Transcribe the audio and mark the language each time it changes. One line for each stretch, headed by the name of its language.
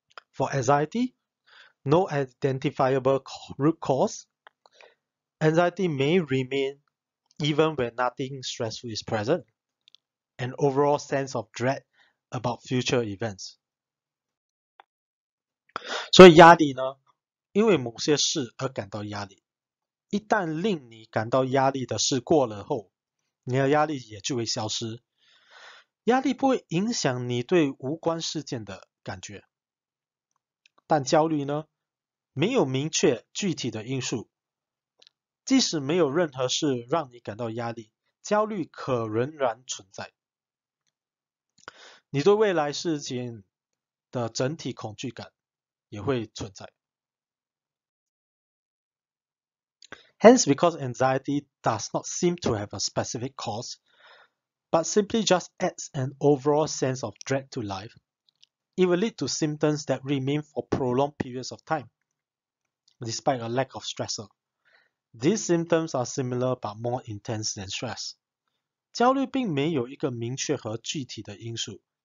English: For anxiety, no identifiable root cause. Anxiety may remain even when nothing stressful is present, an overall sense of dread about future events.
Chinese: 所以压力呢？因为某些事而感到压力，一旦令你感到压力的事过了后，你的压力也就会消失。压力不会影响你对无关事件的感觉，但焦虑呢，没有明确具体的因素。即使没有任何事让你感到压力，焦虑可仍然存在。你对未来事情的整体恐惧感也会存在。
English: Hence, because anxiety does not seem to have a specific cause, but simply just adds an overall sense of dread to life, it will lead to symptoms that remain for prolonged periods of time, despite a lack of stressor. These symptoms are similar but more intense than stress.
Chinese: 焦虑并没有一个明确和具体的因素。